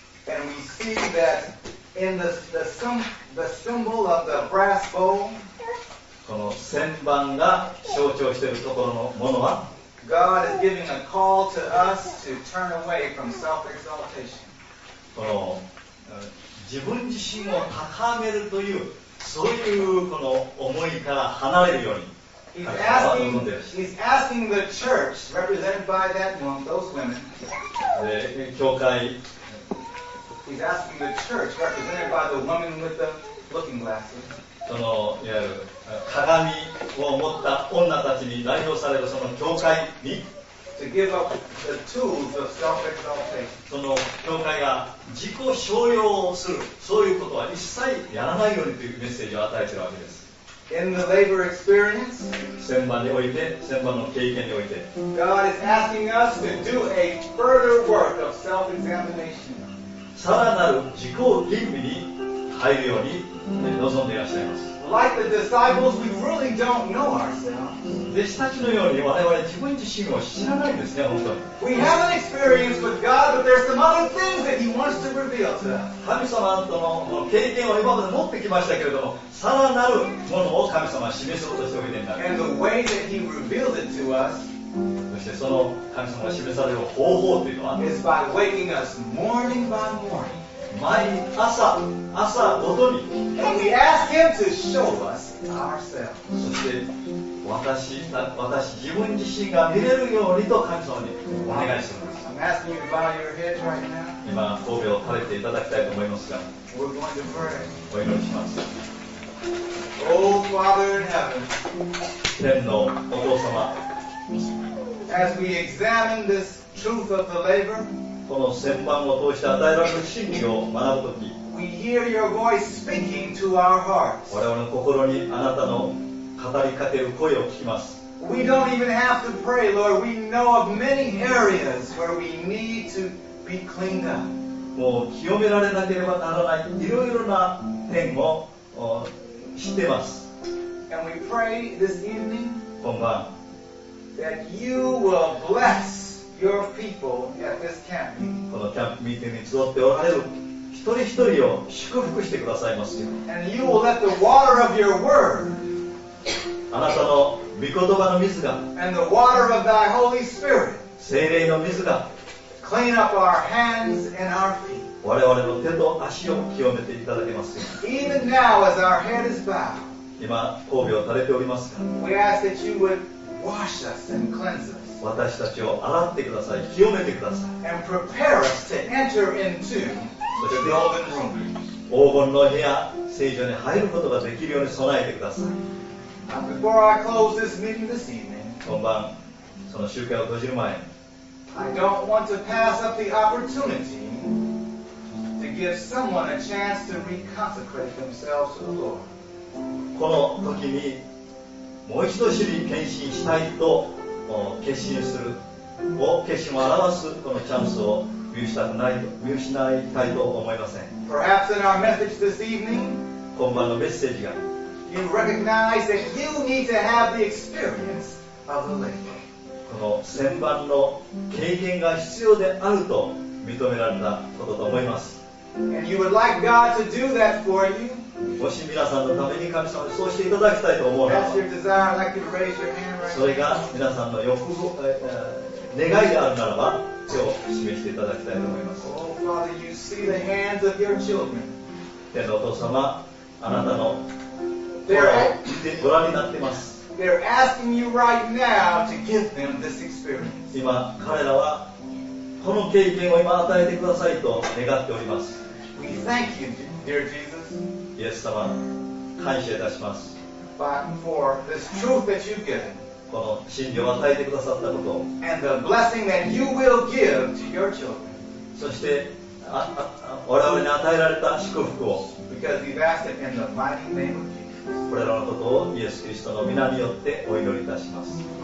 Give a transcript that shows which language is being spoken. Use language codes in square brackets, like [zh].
[en] And we see that in the symbol of the brass bowl, [ja] この旋盤が象徴しているところのものは、 [en] God is giving a call to us to turn away from self-exaltation. [ja] この自分自身を高めるというそういうこの思いから離れるように。 [en] He's asking the church, represented by that woman, those women. [ja] 教会。 [en] He's asking the church, represented by the woman with the looking glasses. [ja] そのいわゆる鏡を持った女たちに代表されるその教会に。 [en] To give up the tools of self-exaltation. [ja] その教会が自己称揚をするそういうことは一切やらないようにというメッセージを与えているわけです。 [en] In the labor experience, [ja] 旋盤において、旋盤の経験において、 [en] God is asking us to do a further work of self-examination. [ja] さらなる自己吟味に入るように、ね、望んでいらっしゃいます。 [en] Like the disciples, we really don't know ourselves. [ja] 弟子たちのように我々自分自身を知らないんですね、本当に。 [en] We have an experience with God, but there's some other things that He wants to reveal to us. [ja] 神様との経験を今まで持ってきましたけれども、さらなるものを神様は示そうとしておいてんだ。 [en] And the way that He revealed it to us, [ja] そしてその神様が示される方法というのは、 [en] is by waking us morning by morning. [ja] 毎朝、朝ごとに、 [en] and we ask him to show us ourselves. [ja] そして私自分自身が見れるようにと神様にお願いします。 [en] I'm asking you to bow your head right now. [ja] 今、頭を垂れていただきたいと思いますが、 [en] We're going to pray. [ja] お祈りします。 [en] Oh, Father in heaven. [ja] 天のお父様、 [en] As we examine this truth of the labor, [ja] この旋盤を通して与えられる真理を学ぶとき、 [en] We hear your voice speaking to our hearts. [ja] 我々の心にあなたの語りかける声を聞きます。 [en] We don't even have to pray, Lord. We know of many areas where we need to be cleaned up. [ja] もう清められなければならないいろいろな点を知ってます。 [en] And we pray this evening, [ja] 今晩、 [en] that you will bless Your people at this camp. [ja] このキャンプミーティングに集っておられる一人一人を祝福してくださいますよ。 [en] And you will let the water of your word, [ja] あなたの御言葉の水が、 [en] and the water of thy Holy Spirit, [ja] 聖霊の水が、 [en] clean up our hands and our feet. [ja] 我々の手と足を清めていただけますよ。 [en] Even now as our head is bowed, [ja] 今頭を垂れておりますか。 [en] We ask that you would wash us and cleanse us. [ja] 私たちを洗ってください、清めてください。 [en] And prepare us to enter into the golden room. [ja] 黄金の部屋、聖所に入ることができるように備えてください。 [en] And before I close this meeting this evening, [ja] 今晩、その集会を閉じる前、 [en] I don't want to pass up the opportunity to give someone a chance to reconsecrate themselves to the Lord. [ja] この時にもう一度主に献身したいと。決心する決心を表すこのチャンスを見失いたいと思いません。 [en] Perhaps in our message this evening, [ja] 今晩のメッセージが [en] You recognize that you need to have the experience of the labor. [ja] この旋盤の経験が必要であると認められたことと思います。 [en] And you would like God to do that for you. [ja] もし皆さんのために神様にそうしていただきたいと思うなら、それが皆さんの欲望、願いであるならば手を示していただきたいと思います。 [en] Oh, Father, you see the hands of your children. [ja] 天のお父様、あなたの声を見てご覧になっています。 [en] They're asking you right now to give them this experience. [ja] 今彼らはこの経験を今与えてくださいと願っております。 [en] We thank you, dear Jesus. [ja] イエス様、感謝いたします。 [en] But for this truth that you've given. [ja] この真理を与えてくださったことを、 [en] and the blessing that you will give to your children. [ja] そして我々に与えられた祝福を、 [en] because you've asked it in the mighty name of Jesus. [ja] これらのことをイエス・キリストの名によってお祈りいたします。